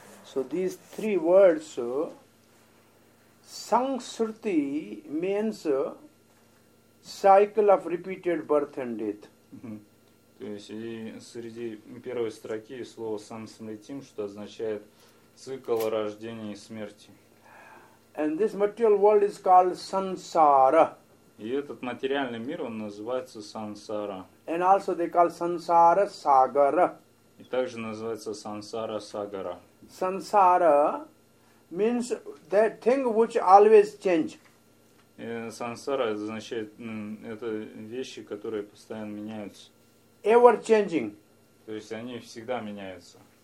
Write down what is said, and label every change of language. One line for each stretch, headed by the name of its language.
English: So these three words, sankshriti means cycle of repeated birth and death.
Russian: То есть и среди первой строки слово самсмритим, что означает цикл рождения и смерти.
English: And this material world is called samsara.
Russian: И этот материальный мир он называется samsara.
English: And also they call samsara sagara.
Russian: И также называется samsara sagara.
English: Samsara means that thing which always change.
Russian: Сансара означает это вещи, которые постоянно меняются.
English: Ever changing.
Russian: То есть они всегда меняются.